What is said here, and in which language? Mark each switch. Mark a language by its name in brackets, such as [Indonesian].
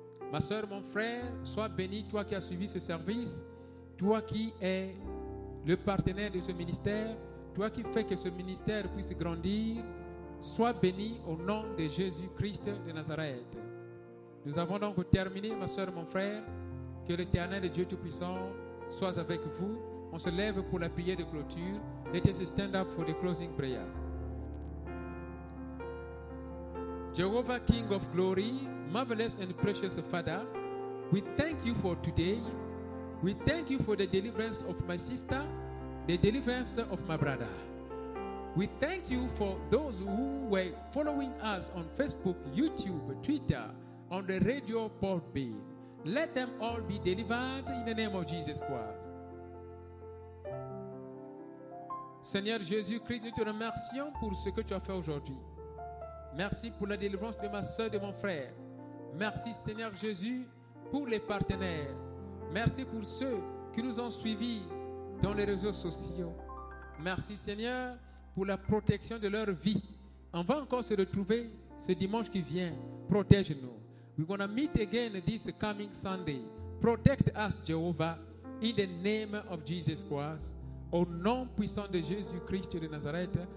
[French] Ma soeur, mon frère, sois béni, toi qui as suivi ce service, toi qui es le partenaire de ce ministère, toi qui fais que ce ministère puisse grandir, sois béni au nom de Jésus-Christ de Nazareth. Nous avons donc terminé, ma soeur, mon frère, que l'Éternel Dieu Tout-Puissant soit avec vous. On se lève pour la prière de clôture. [English] Let us stand up for the closing prayer. Jehovah, King of Glory, marvelous and precious Father, we thank you for today. We thank you for the deliverance of my sister, the deliverance of my brother. We thank you for those who were following us on Facebook, YouTube, Twitter, on the radio podbean. Let them all be delivered in the name of Jesus Christ. [French] Seigneur Jésus-Christ, nous te remercions pour ce que tu as fait aujourd'hui. Merci pour la délivrance de ma soeur, de mon frère. Merci Seigneur Jésus pour les partenaires. Merci pour ceux qui nous ont suivis dans les réseaux sociaux. Merci Seigneur pour la protection de leur vie. On va encore se retrouver ce dimanche qui vient. Protège-nous. [English] We're going to meet again this coming Sunday. Protect us, Jehovah, in the name of Jesus Christ. [French] Au nom puissant de Jésus-Christ de Nazareth.